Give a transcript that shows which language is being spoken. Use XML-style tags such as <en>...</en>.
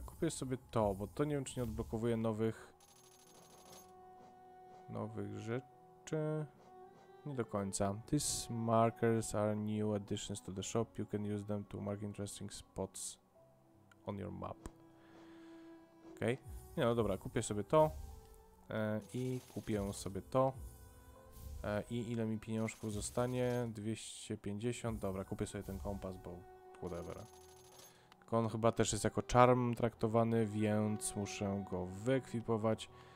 <pl>Kupię sobie to, bo to nie wiem, czy nie odblokowuje nowych rzeczy. Nie do końca.</pl> <en>These markers are new additions to the shop. You can use them to mark interesting spots on your map. Ok.</en> <pl>Nie, no dobra, kupię sobie to. I kupię sobie to. I ile mi pieniążków zostanie? 250. Dobra, kupię sobie ten kompas, bo whatever. Tylko on chyba też jest jako charm traktowany, więc muszę go wyekwipować.</pl>